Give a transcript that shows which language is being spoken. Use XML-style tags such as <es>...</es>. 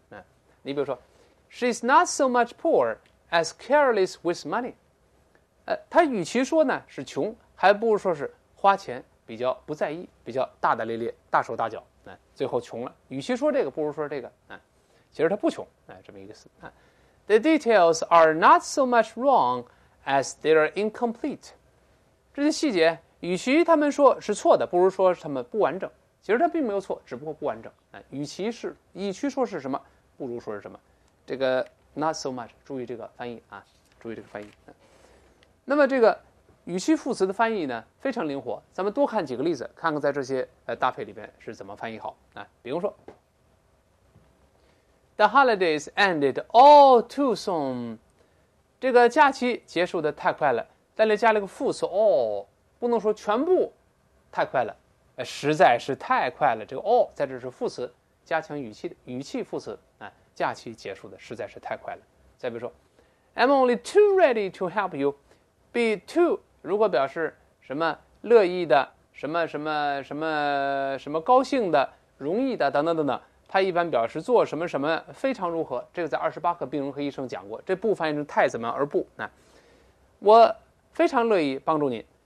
<zh>啊、你比如说</zh> <en>，She's not so much poor as careless with money。</en> <zh>她与其说呢是穷，还不如说是花钱比较不在意，比较大大咧咧，大手大脚。啊、最后穷了。与其说这个，不如说这个。啊、其实她不穷。哎、啊，这么一个意思。</zh> <en>啊The details are not so much wrong as they are incomplete.</en> <zh>这些细节，与其他们说是错的，不如说他们不完整。其实它并没有错，只不过不完整。与其说是什么，不如说是什么。这个</zh> <en>not so much，</en> <zh>注意这个翻译啊，注意这个翻译。那么这个语气副词的翻译呢，非常灵活。咱们多看几个例子，看看在这些搭配里边是怎么翻译好啊。比如说。</zh> <en>The holidays ended all too soon.</en> <zh>这个假期结束的太快了，但是加了个副词 all， 不能说全部太快了，实在是太快了。这个 all 在这是副词，加强语气的语气副词、啊、假期结束的实在是太快了。再比如说</zh> <en>，I'm only too ready to help you. Be too</en> <zh>如果表示什么乐意的、什么什么什么什么高兴的、容易的等等等等。它一般表示做什么什么非常如何，这个在二十八课病人和医生讲过，这不翻译成太怎么而不、啊、我非常乐意帮助您。</zh>